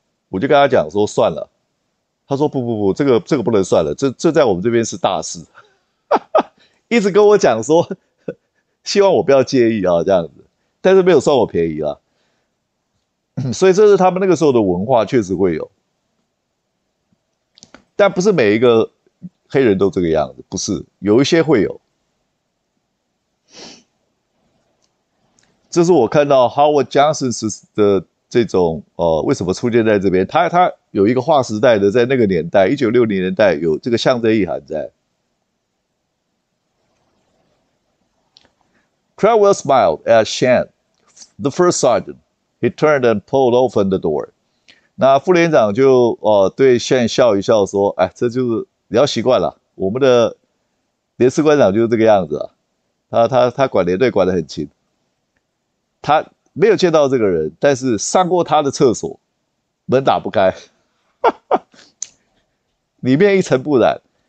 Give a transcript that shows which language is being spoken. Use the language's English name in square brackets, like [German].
[Chinese] 我就跟他讲说算了，他说不，这个不能算了，这在我们这边是大事，一直跟我讲说，希望我不要介意啊这样子，但是没有算我便宜啦、啊，所以这是他们那个时候的文化，确实会有，但不是每一个黑人都这个样子，不是，有一些会有，这是我看到 Howard Johnson 的。这种为什么出现在这边？他有一个划时代的，在那个年代，1960年代有这个象征意涵在。 [English] Cradwell smiled at Shan, the first sergeant. He turned and pulled open the door. [Chinese] 那副连长就对 Shan 笑一笑说：“哎，这就是你要习惯了，我们的连士官长就是这个样子啊，他管连队管得很勤，他。 ”没有见到这个人，但是上过他的厕所，门打不开，里面一尘不染。